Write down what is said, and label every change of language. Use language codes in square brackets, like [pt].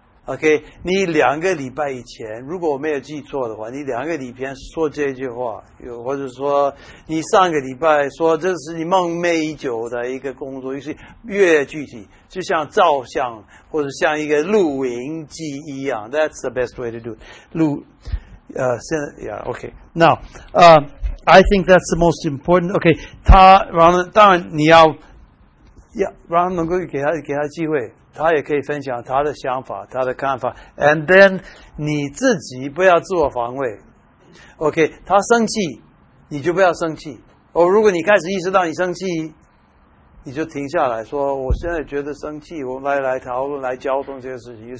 [zh] OK，你2个礼拜以前，如果我没有记错的话，你2个礼拜说这句话，或者说你上个礼拜说这是你梦寐以求的一个工作，就是越具体，就像照相或者像一个录影机一样。 [en] That's the best way to do it. [zh] 现在， [en] OK，Now，I think that's the most important. [zh] OK，他然后当然你要让他能够给他机会。他也可以分享他的想法、他的看法， [en] and then [zh] 你自己不要自我防卫。 OK，他生气，你就不要生气。哦，如果你开始意识到你生气，你就停下来说：“我现在觉得生气，我来讨论、来交通这个事情。